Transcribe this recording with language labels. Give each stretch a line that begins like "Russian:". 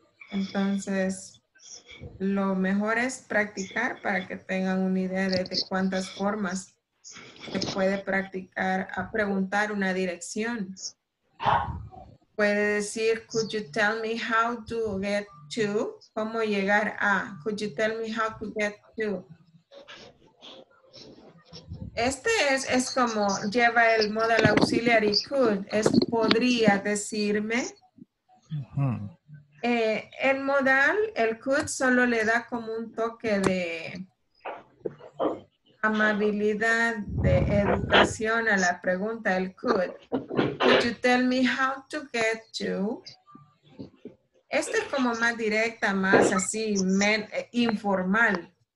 Spanish: Entonces, lo mejor es practicar para que tengan una idea de cuántas formas se puede practicar a preguntar una dirección. Puede decir,
English: could you tell me how to get to?
Spanish: ¿Cómo llegar a?
English: Could you tell me how to get to?
Spanish: Este es como lleva el
English: modal auxiliary could.
Spanish: Es podría decirme. Uh-huh. El modal, el could, solo le da como un toque de amabilidad, de educación a la pregunta, el could.
English: Could you tell me how to get to?
Spanish: Este es como más directa, más así, informal.